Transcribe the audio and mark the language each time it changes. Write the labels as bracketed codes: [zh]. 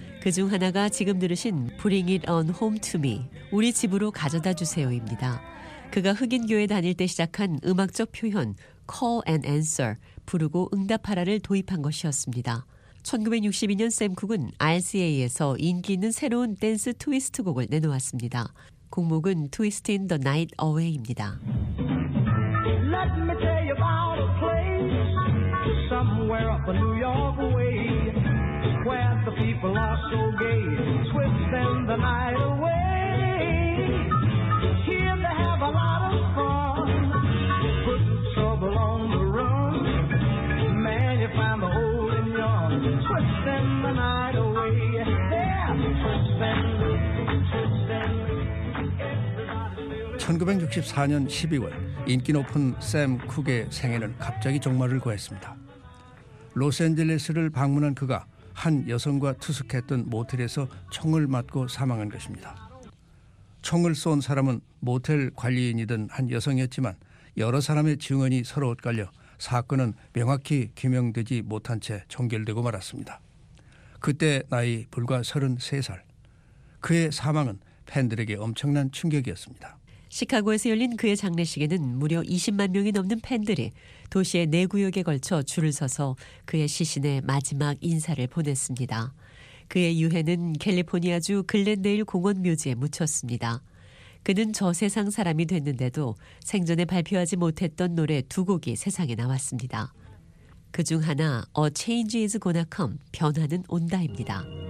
[ko] 그중 하나가 지금 들으신 Bring It On Home To Me, 우리 집으로 가져다 주세요입니다. 그가 흑인 교회 다닐 때 시작한 음악적 표현 Call and Answer, 부르고 응답하라를 도입한 것이었습니다. 1962년 샘 쿡은 RCA에서 인기 있는 새로운 댄스 트위스트 곡을 내놓았습니다. 곡목은 [en] Twist in the Night Away입니다. Let me tell you about a place. Somewhere up a New York way, where the people are so gay, twisting the night away. Here they have a lot of fun, put trouble on the run. Man, you find the hole in yon, twisting the night away. Yeah, twisting. [ko] 1964년 12월 인기 높은 샘 쿡의 생애는 갑자기 종말을 구했습니다. 로스앤젤레스를 방문한 그가 한 여성과 투숙했던 모텔에서 총을 맞고 사망한 것입니다. 총을 쏜 사람은 모텔 관리인이던 한 여성이었지만 여러 사람의 증언이 서로 엇갈려 사건은 명확히 규명되지 못한 채 종결되고 말았습니다. 그때 나이 불과 33살. 그의 사망은 팬들에게 엄청난 충격이었습니다. 시카고에서 열린 그의 장례식에는 무려 20만 명이 넘는 팬들이 도시의 네 구역에 걸쳐 줄을 서서 그의 시신에 마지막 인사를 보냈습니다. 그의 유해는 캘리포니아주 글렌데일 공원 묘지에 묻혔습니다. 그는 저세상 사람이 됐는데도 생전에 발표하지 못했던 노래 두 곡이 세상에 나왔습니다. 그중 하나 A Change Is Gonna Come, 변화는 온다입니다.